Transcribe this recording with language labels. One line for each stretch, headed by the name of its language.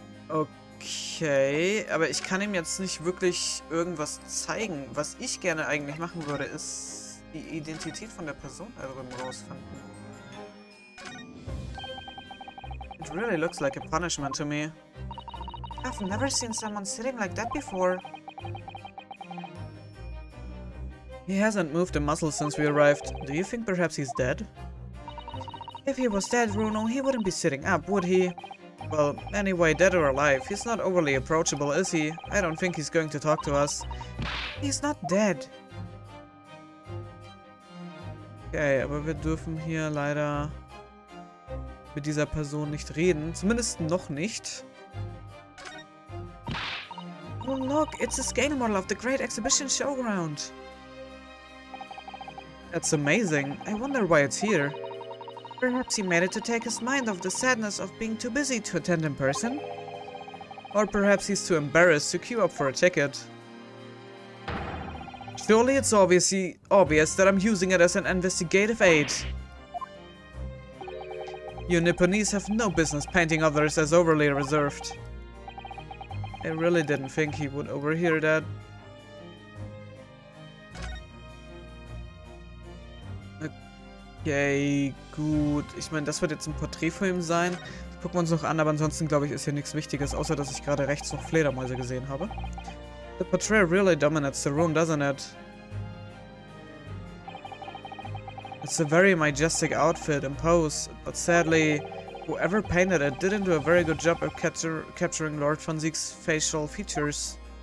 German: Okay, aber ich kann ihm jetzt nicht wirklich irgendwas zeigen. Was ich gerne eigentlich machen würde, ist die Identität von der Person darüber rausfinden.
English: It really looks like a punishment to me. I've never seen someone sitting like that before. He hasn't moved a muscle since we arrived. Do you think perhaps he's dead? If he was dead, Runo, he wouldn't be sitting up, would he? Well, anyway, dead or alive, he's not overly approachable, is he? I don't think he's going to talk to us. He's not dead.
German: Okay, aber wir dürfen hier leider mit dieser Person nicht reden. Zumindest noch nicht.
English: Oh, look, it's a scale model of the Great Exhibition Showground. That's amazing. I wonder why it's here. Perhaps he made it to take his mind off the sadness of being too busy to attend in person. Or perhaps he's too embarrassed to queue up for a ticket. Surely it's obvious that I'm using it as an investigative aid. You Nipponese have no business painting others as overly reserved. I really didn't think he would overhear that.
German: Okay, gut. Ich meine, das wird jetzt ein Porträt von ihm sein. Das gucken wir uns noch an, aber ansonsten glaube ich, ist hier nichts Wichtiges, außer dass ich gerade rechts noch Fledermäuse gesehen habe.
English: The portrait really dominates the room, doesn't it? It's a very majestic outfit and pose, but sadly, whoever painted it didn't do a very good job of capturing Lord von Zieks' facial features.